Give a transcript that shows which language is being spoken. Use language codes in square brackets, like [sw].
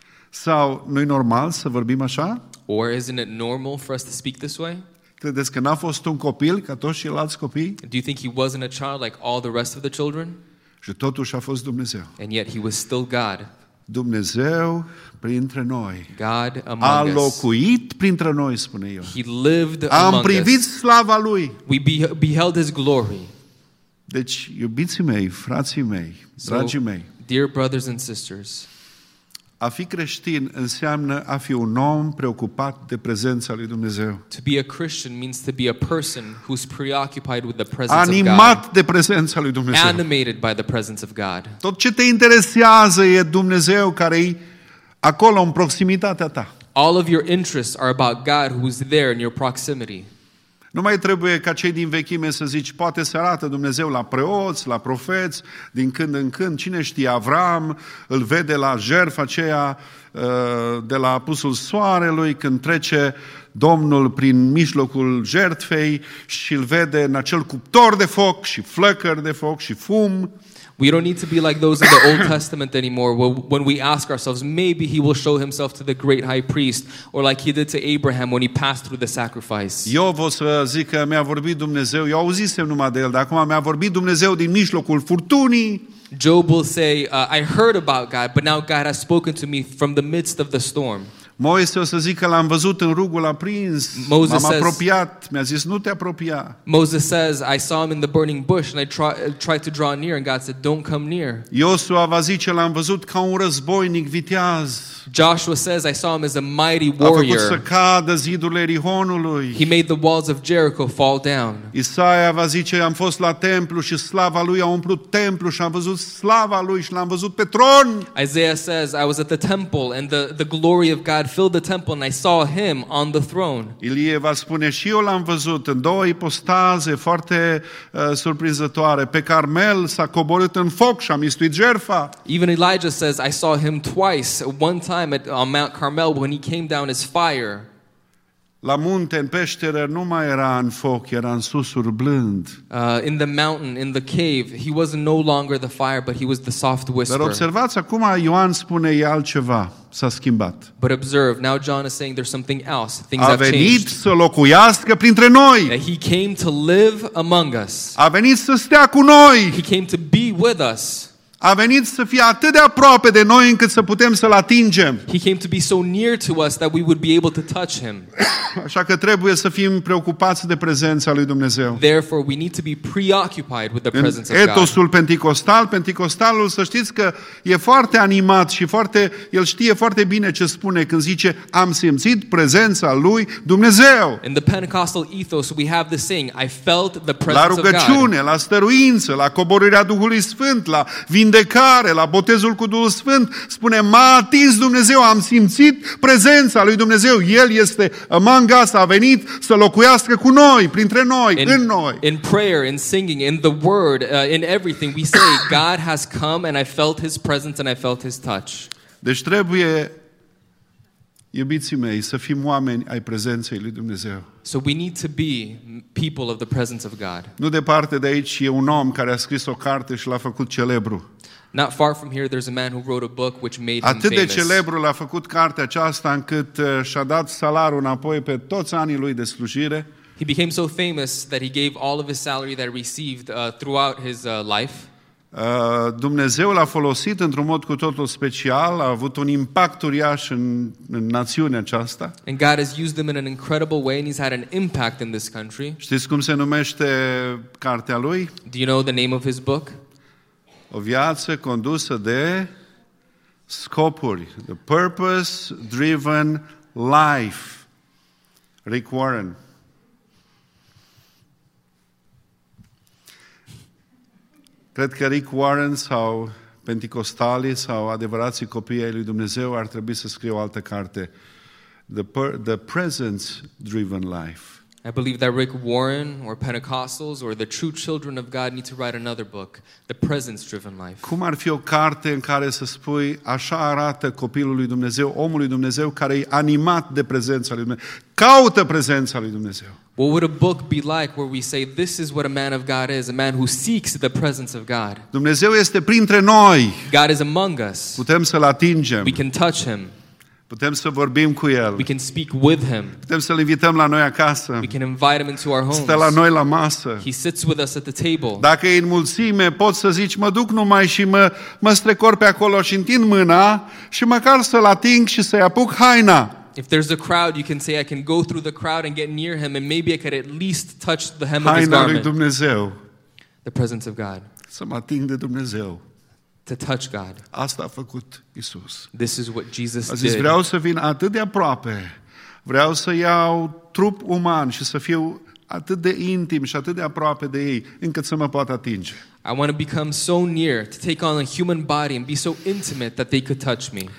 [ro] Sau nu-i normal să vorbim așa? [en] Or isn't it normal for us to speak this way? [ro] Credeți că n-a fost un copil ca toți ceilalți copii? [en] Do you think he wasn't a child like all the rest of the children? [ro] Și totuși a fost Dumnezeu. [en] And yet he was still God. [ro] Dumnezeu printre noi. [en] God among us. A [ro] locuit printre noi, spune eu. [en] He lived among us. [ro] Am privit slava lui. [en] We beheld his glory. [ro] Deci, iubiții mei, frații mei, dragii mei. [en] Dear brothers and sisters. [ro] A fi creștin înseamnă a fi un om preocupat de prezența lui Dumnezeu. [en] To be a Christian means to be a person who's preoccupied with the presence [ro] animat [en] of God. [ro] De prezența lui Dumnezeu. [en] Animated by the presence of God. [ro] Tot ce te interesează e Dumnezeu care e acolo în proximitatea ta. [en] All of your interests are about God who's there in your proximity. [ro] Nu mai trebuie ca cei din vechime să zici, poate se arată Dumnezeu la preoți, la profeți, din când în când. Cine știe, Avram îl vede la jertfa aceea de la apusul soarelui, când trece Domnul prin mijlocul jertfei și îl vede în acel cuptor de foc și flăcări de foc și fum. [en] We don't need to be like those of the Old Testament anymore. When we ask ourselves, maybe he will show himself to the great high priest or like he did to Abraham when he passed through the sacrifice. [ro] Eu vă zic că mi-a vorbit Dumnezeu. Eu auzisem numai de el, dar acum mi-a vorbit Dumnezeu din mijlocul furtunii. [en] Job will say, I heard about God, but now God has spoken to me from the midst of the storm. [ro] Moise o să zic că l-am văzut în rugul aprins, [en] Moses [ro] m-am apropiat, mi-a zis nu te apropia. [en] Moses says, I saw him in the burning bush and I tried to draw near and God said, don't come near. [ro] Iosua va zice, l-am văzut ca un războinic viteaz. [en] Joshua says, I saw him as a mighty warrior. [ro] A făcut să cadă zidurile Erihonului. [en] He made the walls of Jericho fall down. [ro] Isaia va zice, am fost la templu și slava lui a umplut templu și am văzut slava lui și l-am văzut pe tron. [en] Isaiah says, I was at the temple and the glory of God filled the temple and I saw him on the throne. [ro] Ilie va spune, și eu l-am văzut în două ipostaze foarte surprinzătoare. Pe Carmel s-a coborât în foc și a mistuit jertfa. [en] Even Elijah says, I saw him twice, one time on Mount Carmel when he came down as fire. [ro] La munte, în peșteră, nu mai era în foc, era în susur blând. [en] In the mountain, in the cave, he was no longer the fire, but he was the soft whisper. [ro] Dar observați, acum Ioan spune, e altceva, s-a schimbat. [en] But observe, now John is saying there's something else, things have changed. [ro] A venit să locuiască printre noi. [en] He came to live among us. [ro] A venit să stea cu noi. [en] He came to be with us. [ro] A venit să fie atât de aproape de noi încât să putem să-l atingem. [en] He came to be so near to us that we would be able to touch him. [ro] Așa că trebuie să fim preocupați de prezența lui Dumnezeu. [en] Therefore we need to be preoccupied with the presence of God. [ro] În etosul pentecostalul, să știți că e foarte animat și foarte, el știe foarte bine ce spune când zice am simțit prezența lui Dumnezeu. [en] In the Pentecostal ethos we have the saying I felt the presence of God. [ro] La rugăciune, la stăruință, la coborârea Duhului Sfânt, la vindecare, la botezul cu Duhul Sfânt, spune, m-a atins Dumnezeu, am simțit prezența lui Dumnezeu. El este [en] among us, [ro] a venit să locuiască cu noi, printre noi, [en] in, [ro] în noi. [en] In prayer, in singing, in the word, in everything, we say, God has come and I felt his presence and I felt his touch. [ro] Deci trebuie Iubiții mei, să fim oameni ai prezenței lui Dumnezeu. [en] So we need to be people of the presence of God. [ro] Nu departe de aici e un om care a scris o carte și l-a făcut celebru. [en] Not far from here there's a man who wrote a book which made him famous. [ro] Atât de celebru l-a făcut cartea aceasta încât și-a dat salariul înapoi pe toți anii lui de slujire. [en] He became so famous that he gave all of his salary that he received throughout his life. [ro] Dumnezeu l-a folosit într-un mod cu totul special, a avut un impact uriaș în națiunea aceasta. [en] And God has used him in an incredible way and he's had an impact in this country. [ro] Știți cum se numește cartea lui? [en] Do you know the name of his book? [ro] O viață condusă de scopuri. [en] The Purpose-Driven Life. Rick Warren. [ro] Cred că Rick Warren sau Pentecostalii sau adevărații copii ai lui Dumnezeu ar trebui să scrie o altă carte. [en] The Presence-Driven Life. I believe that Rick Warren or Pentecostals or the true children of God need to write another book, The Presence-Driven Life. [ro] Cum ar fi o carte în care să spui așa arată copilul lui Dumnezeu, omul lui Dumnezeu care e animat de prezența lui Dumnezeu. Caută prezența lui Dumnezeu. [en] What would a book be like where we say this is what a man of God is, a man who seeks the presence of God? [ro] Dumnezeu este printre noi. [en] God is among us. [ro] Putem să-l atingem. [en] We can touch him. [ro] Putem să vorbim cu el. [en] We can speak with him. [ro] Putem să-l invităm la noi acasă. [en] We can invite him into our homes. [ro] Stă la noi la masă. [en] He sits with us at the table. [ro] Dacă e în mulțime, poți să zici, mă duc numai și mă strecor pe acolo și întind mâna și măcar să-l ating și să-i apuc haina. [en] If there's a crowd, you can say, I can go through the crowd and get near him and maybe I could at least touch the hem [ro] haina [en] of his garment. [ro] Haina lui Dumnezeu. [en] The presence of God. [ro] Să mă ating de Dumnezeu. [en] To touch God. [ro] Asta a făcut Iisus. [en] This is what Jesus [ro] a zis, [en] did. [ro] Vreau să vin atât de aproape. Vreau să iau trup uman și să fiu atât de intim și atât de aproape de ei încât să mă poată atinge. [en] I want to become so near to take on a human body and be so intimate that they could touch me.